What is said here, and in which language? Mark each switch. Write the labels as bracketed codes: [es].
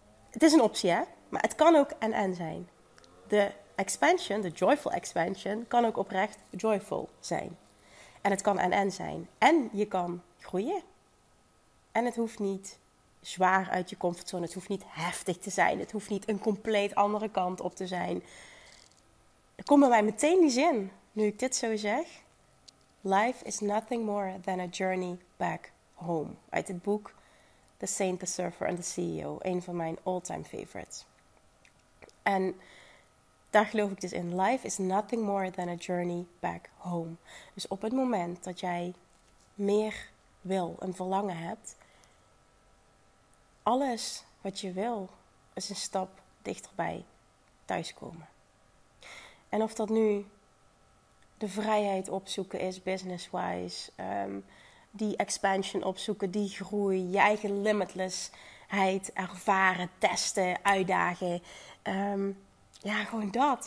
[nl] Het is een optie, hè? Maar het kan ook en zijn. De expansion, de joyful expansion, kan ook oprecht joyful zijn. En het kan en zijn. En je kan groeien. En het hoeft niet zwaar uit je comfortzone. Het hoeft niet heftig te zijn. Het hoeft niet een compleet andere kant op te zijn. Er komt bij mij meteen die zin, nu ik dit zo zeg. [en] Life is nothing more than a journey back home. [nl] Uit het boek The Saint, the Surfer and the CEO. Een van mijn all-time favorites. En daar geloof ik dus in. [en] Life is nothing more than a journey back home. [nl] Dus op het moment dat jij meer wil en verlangen hebt, alles wat je wil is een stap dichterbij thuiskomen. En of dat nu de vrijheid opzoeken is business-wise, die expansion opzoeken, die groei, je eigen limitlessheid ervaren, testen, uitdagen. Gewoon dat.